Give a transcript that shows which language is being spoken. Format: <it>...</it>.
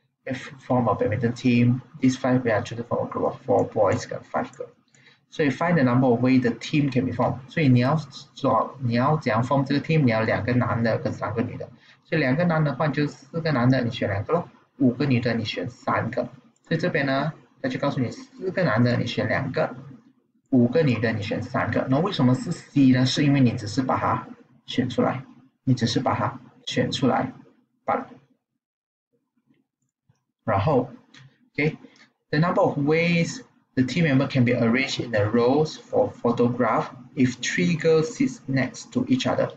<en>If form a badminton team, these five players choose from a group of four boys and five girls. So you find the number of ways the team can be formed.</en> <zh>所以你要找，你要怎样 form 这个 team？你要两个男的跟三个女的。所以两个男的话，就四个男的，你选两个咯；五个女的，你选三个。所以这边呢，他就告诉你，四个男的你选两个，五个女的你选三个。那为什么是 C 呢？是因为你只是把它选出来，你只是把它选出来罢了。然后，</zh> <en>OK，the number of ways the team member can be arranged in the rows for photograph if three girls sit next to each other。</en>